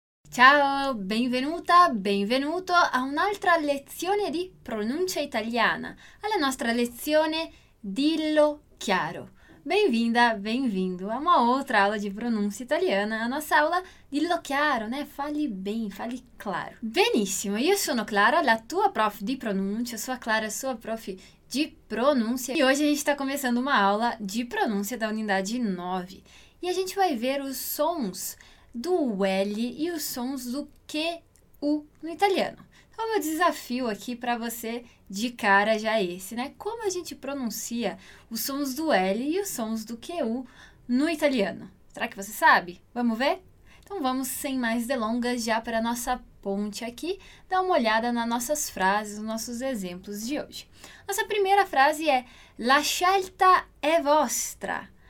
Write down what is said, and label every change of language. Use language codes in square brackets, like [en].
[it] Ciao, benvenuta, benvenuto a un'altra lezione di pronuncia italiana, alla nostra lezione Dillo Chiaro. [pt] Bem-vinda, bem-vindo a uma outra aula de pronúncia italiana, a nossa aula Dillo Chiaro, né? Fale bem, fale claro. Benissimo, [it] io sono Clara, la tua prof di pronúncia, [pt] sua Clara, sua prof di pronúncia. E hoje a gente está começando uma aula de pronúncia da unidade 9. E a gente vai ver os sons do L e os sons do QU no italiano. Então, o meu desafio aqui para você de cara já é esse, né? Como a gente pronuncia os sons do L e os sons do QU no italiano? Será que você sabe? Vamos ver? Então, vamos sem mais delongas já para a nossa ponte aqui, dar uma olhada nas nossas frases, nos nossos exemplos de hoje. Nossa primeira frase é: [it] La scelta è vostra.